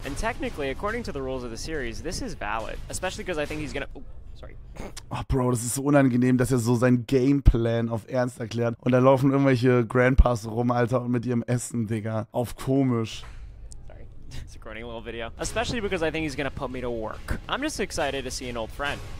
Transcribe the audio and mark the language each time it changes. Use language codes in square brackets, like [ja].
[en] And technically, according to the rules of the series, this is valid. Especially because I think he's gonna... Oh, sorry. [de] Oh, Bro, das ist so unangenehm, dass er so seinen Gameplan auf Ernst erklärt. Und da laufen irgendwelche Grandpas rum, Alter, und mit ihrem Essen, Digga. Auf komisch. [en] It's recording a little video. Especially because I think he's gonna put me to work. I'm just excited to see an old friend.